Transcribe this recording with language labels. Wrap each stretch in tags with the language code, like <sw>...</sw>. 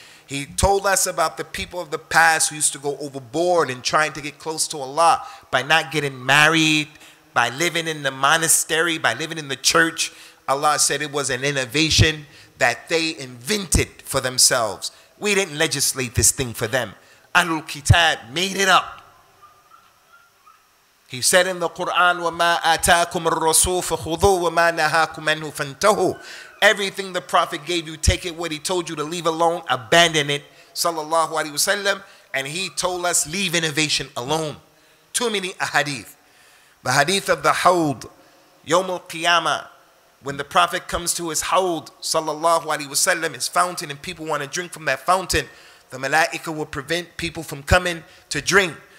<en>He told us about the people of the past who used to go overboard and trying to get close to Allah by not getting married, by living in the monastery, by living in the church. Allah said it was an innovation that they invented for themselves. We didn't legislate this thing for them. Ahlul Kitab made it up. He said in the Quran,</en> <ar>وَمَا أَتَاكُمُ الرَّسُولُ فَخُذُوهُ وَمَا نَهَاكُمْ عَنْهُ فَانْتَهُوا.</ar> <en>Everything the Prophet gave you, take it. What he told you to leave alone, abandon it. Sallallahu alayhi wasallam. And he told us, leave innovation alone. Too many ahadith. The hadith of the Hawd,</en> <ar>يوم القيامة,</ar> <en>when the Prophet comes to his Hawd, sallallahu alayhi wasallam, his fountain, and people want to drink from that fountain, the Malaika will prevent people from coming to drink.</en>